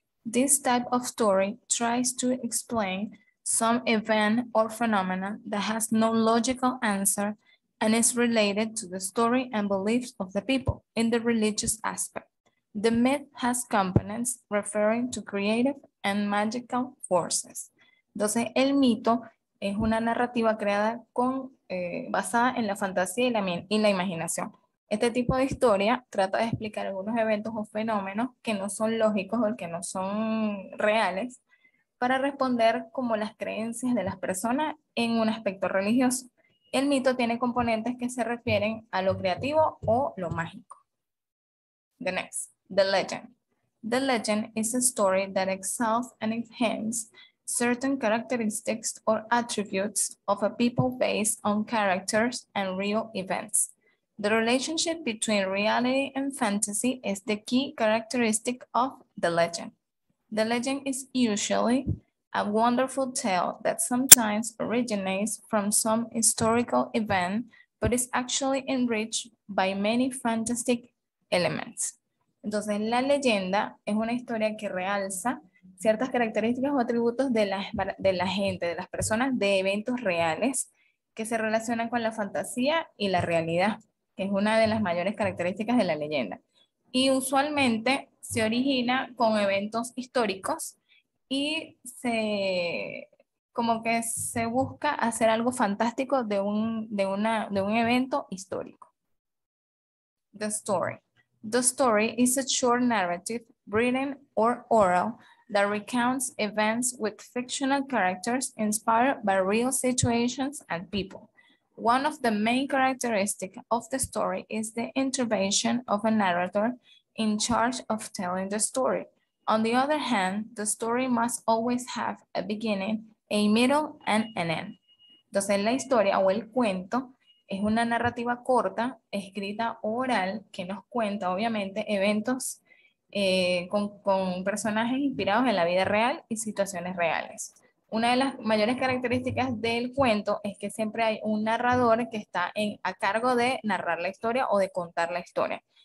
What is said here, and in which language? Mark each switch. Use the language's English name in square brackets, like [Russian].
[English] This type of story tries to explain some event or phenomena that has no logical answer and is related to the story and beliefs of the people in the religious aspect. The myth has components referring to creative and magical forces. [Spanish] Entonces, el mito es una narrativa creada con basada en la fantasía y la imaginación. Este tipo de historia trata de explicar algunos eventos o fenómenos que no son lógicos o que no son reales para responder como las creencias de las personas en un aspecto religioso. El mito tiene componentes que se refieren a lo creativo o lo mágico. [English] The next, the legend. The legend is a story that exalts and enhances certain characteristics or attributes of a people based on characters and real events. The relationship between reality and fantasy is the key characteristic of the legend. The legend is usually a wonderful tale that sometimes originates from some historical event, but is actually enriched by many fantastic elements. [Spanish] Entonces, la leyenda es una historia que realza ciertas características o atributos de la gente, de las personas, de eventos reales que se relacionan con la fantasía y la realidad, que es una de las mayores características de la leyenda. Y usualmente se origina con eventos históricos y se, como que se busca hacer algo fantástico de un evento histórico. [English] The story. The story is a short narrative, written or oral, that recounts events with fictional characters inspired by real situations and people. One of the main characteristics of the story is the intervention of a narrator in charge of telling the story. On the other hand, the story must always have a beginning, a middle, and an end. [Spanish] Entonces, la historia o el cuento es una narrativa corta, escrita oral, que nos cuenta, obviamente, eventos con personajes inspirados en la vida real y situaciones reales. Una de las mayores características del cuento es que siempre hay un narrador que está a cargo de narrar la historia o de contar la historia.